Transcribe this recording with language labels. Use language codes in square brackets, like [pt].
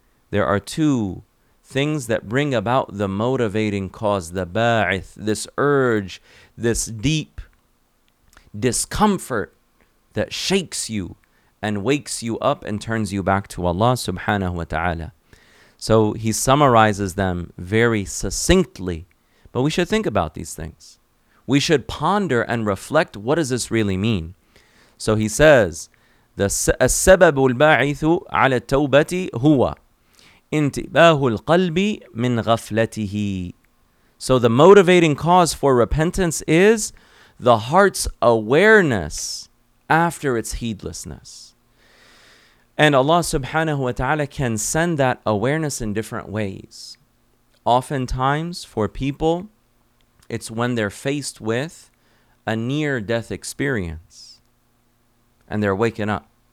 [en] There are two things that bring about the motivating cause, the ba'ith, this urge, this deep discomfort that shakes you and wakes you up and turns you back to Allah subhanahu wa ta'ala. So he summarizes them very succinctly. But we should think about these things. We should ponder and reflect, what does this really mean? So he says, [ar] السبب الباعث على التوبة هو انتباه القلب من غفلته. [en] So the motivating cause for repentance is the heart's awareness after its heedlessness. And Allah subhanahu wa ta'ala can send that awareness in different ways. Oftentimes for people, it's when they're faced with a near-death experience and they're waking up.